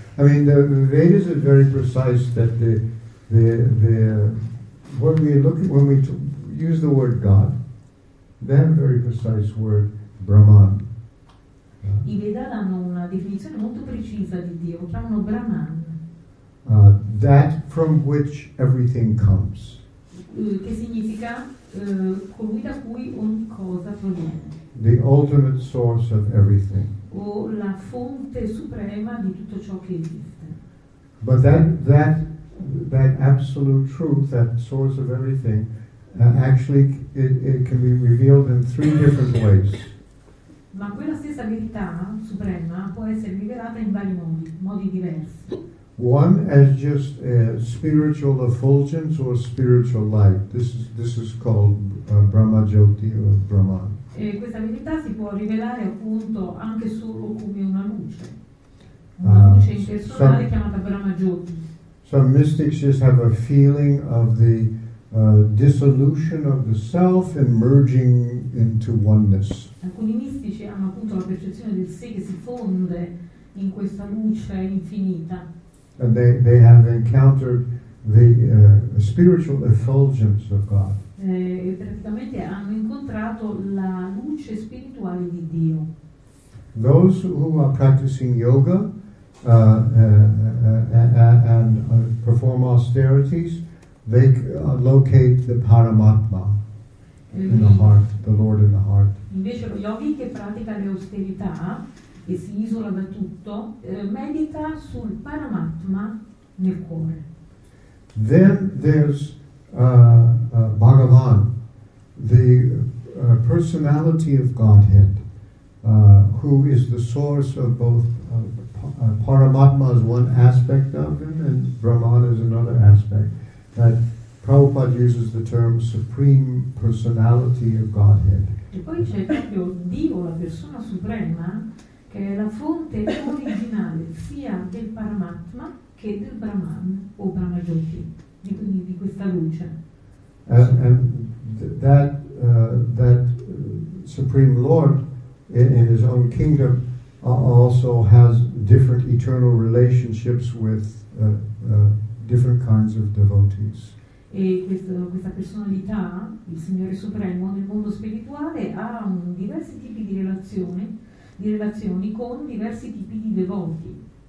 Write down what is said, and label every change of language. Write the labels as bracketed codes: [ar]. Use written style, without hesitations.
[en] I mean, the Vedas are very precise that the when we look at, when we use the word God, that very precise word Brahman. [it] I Veda hanno una definizione molto precisa di Dio, chiamano Brahman. [en] That from which everything comes. [it] Che significa colui da cui ogni cosa proviene. [en] The ultimate source of everything. [it] O la fonte suprema di tutto ciò che esiste. [en] But that absolute truth, that source of everything, actually it can be revealed in three different ways. [it] Ma quella stessa verità suprema può essere rivelata in vari modi diversi. [en] One as just a spiritual effulgence or spiritual light. This is called Brahma Jyoti or Brahman. [it] E questa verità si può rivelare appunto anche solo come una luce impersonale chiamata Brahma Jyoti. [en] Some mystics just have a feeling of the dissolution of the self and merging into oneness. [it] Alcuni mistici hanno appunto la percezione del sé che si fonde in questa luce infinita. [en] And they have encountered the spiritual effulgence of God. [it] Praticamente hanno incontrato la luce spirituale di Dio. [en] Those who are practicing yoga and perform austerities, they locate the Paramatma in the heart, the Lord in the heart. [it] Invece lo yogi che pratica le austerità e si isola da tutto medita sul Paramatma nel cuore. [en] Then there's Bhagavan, the personality of Godhead, who is the source of both Paramatma is one aspect of him and Brahman is another aspect. That Prabhupada uses the term supreme personality of Godhead. [it] E poi c'è proprio Dio, la persona suprema, che è la fonte originale sia del Paramatma che del Brahman o Brahma Jyoti. Di questa luce. [en] And that Supreme Lord in his own kingdom also has different eternal relationships with different kinds of devotees. [it] E questa personalità, il Signore Supremo nel mondo spirituale ha diversi tipi di relazioni con diversi tipi di devoti.